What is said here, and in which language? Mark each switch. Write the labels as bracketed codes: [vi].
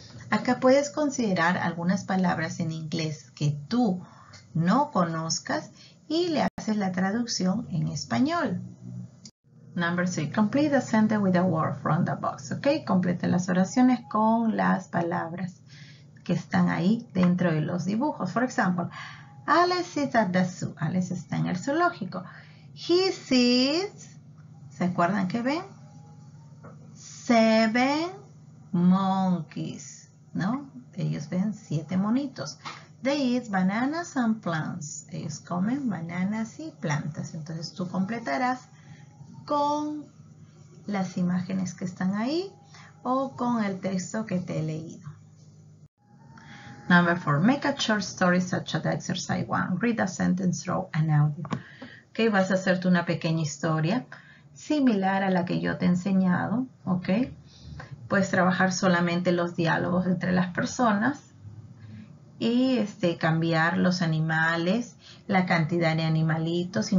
[es] Acá puedes considerar algunas palabras en inglés que tú no conozcas y le haces la traducción en español. [en] Number 3, complete the sentence with a word from the box, ¿ok? [es] Complete las oraciones con las palabras que están ahí dentro de los dibujos. [en] For example, Alice is at the zoo. [es] Alice está en el zoológico. [en] He sees, [es] ¿se acuerdan qué ven? [en] 7 monkeys, ¿no? [es] Ellos ven 7 monitos. [en] They eat bananas and plants. [es] Ellos comen bananas y plantas. Entonces tú completarás con las imágenes que están ahí o con el texto que te he leído. [en] Number 4. Make a short story such as exercise 1. Read a sentence through an audio. [es] Ok, vas a hacerte una pequeña historia similar a la que yo te he enseñado. Ok, puedes trabajar solamente los diálogos entre las personas y cambiar los animales, la cantidad de animalitos.